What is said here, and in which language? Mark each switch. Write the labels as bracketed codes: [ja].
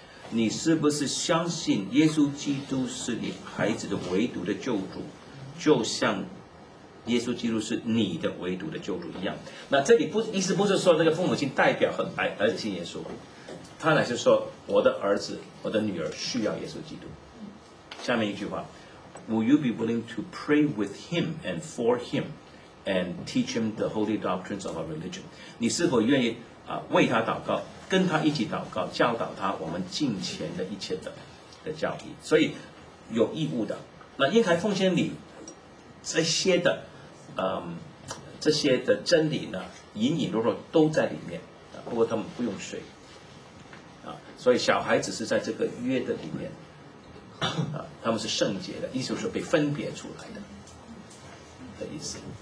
[zh] 你是不是相信耶稣基督是你孩子的唯独的救主，就像耶稣基督是你的唯独的救主一样？那这里不意思不是说那个父母亲代表很爱儿子信耶稣，他乃是说我的儿子我的女儿需要耶稣基督。下面一句话， [en] Will you be willing to pray with him and for him and teach him the holy doctrines of our religion？ [zh] 你是否愿意为他祷告，跟他一起祷告，教导他我们敬虔的一切 的教义。所以有义务的。那婴孩奉献礼这些的这些的真理呢，隐隐若若都在里面，不过他们不用水所以小孩子是在这个约的里面他们是圣洁的，意思就是被分别出来的的意思。